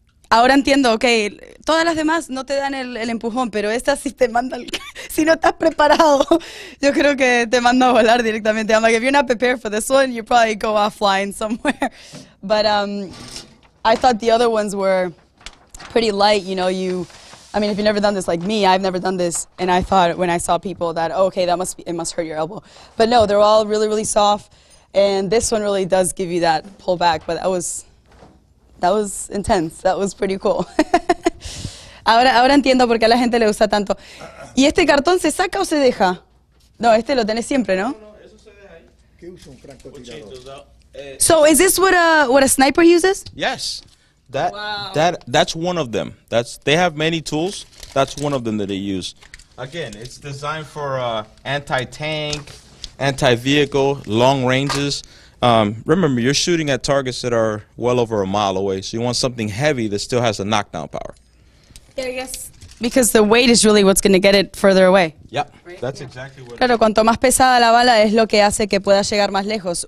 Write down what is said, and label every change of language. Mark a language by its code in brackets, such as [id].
[es] Ahora entiendo, ok, todas las demás no te dan el empujón, pero esta sí te manda, si no estás preparado, yo creo que te manda a volar directamente. [en] I'm like, if you're not prepared for this one, you probably go offline somewhere. But I thought the other ones were pretty light, you know, you... I mean, if you've never done this like me, I've never done this, and I thought when I saw people that, oh, okay, that must be, it must hurt your elbow. But no, they're all really, really soft, and this one really does give you that pullback, but that was intense. That was pretty cool. [es] ahora entiendo por qué a la gente le gusta tanto. ¿Y este cartón se saca o se deja? No, este lo tenés siempre, ¿no? No, eso se deja ahí. ¿Qué usa un francotirador? [en] So is this what a sniper uses? Yes. That, wow. That's one of them. They have many tools. That's one of them that they use. Again, it's designed for anti-tank, anti-vehicle, long ranges. Remember, you're shooting at targets that are well over a mile away, so you want something heavy that still has a knockdown power. Yeah, I guess. Because the weight is really what's going to get it further away. Yeah, right? That's yeah. Exactly what [es] claro, [en] it is. [es] Cuanto más pesada la bala es lo que hace que pueda llegar más lejos.